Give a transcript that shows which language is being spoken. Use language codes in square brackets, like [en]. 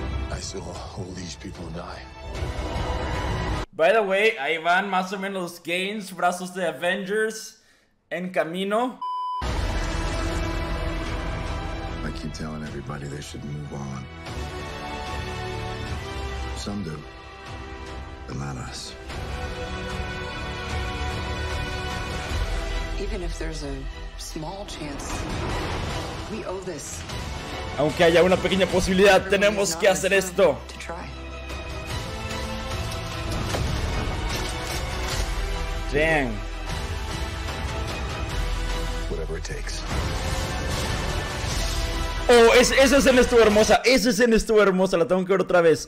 [en] I saw all these people die. By the way, [es] ahí van más o menos los gains, brazos de Avengers en camino. [en] I keep telling everybody they should move on. Some do, but not us. Even if there's a small chance, we owe this. [es] Aunque haya una pequeña posibilidad, tenemos que hacer esto. [en] Dang. Whatever it takes. [es] Oh, esa escena estuvo hermosa. La tengo que ver otra vez.